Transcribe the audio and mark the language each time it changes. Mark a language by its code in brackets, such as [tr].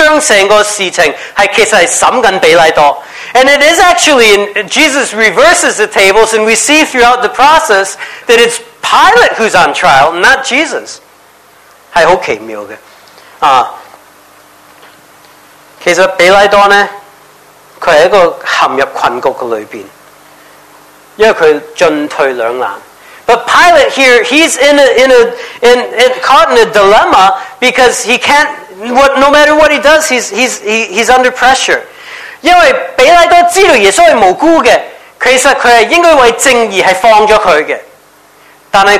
[zh] 应该调转，而且我们看过过程，真的调转，耶稣将整个事情其实是在审判比拉多。 [en] And it is actually, in Jesus reverses the tables, and we see throughout the process that it's Pilate who's on trial, not Jesus. [zh] 是很奇妙的。其实比拉多呢，他是一个陷入困局的里面，因为他进退两难。 But [en] Pilate here, he's in caught in a dilemma because he can't, what, no matter what he does, he's under pressure. [zh] 因为比拉多知道耶稣是无辜的，其实他是应该为正义放了他的。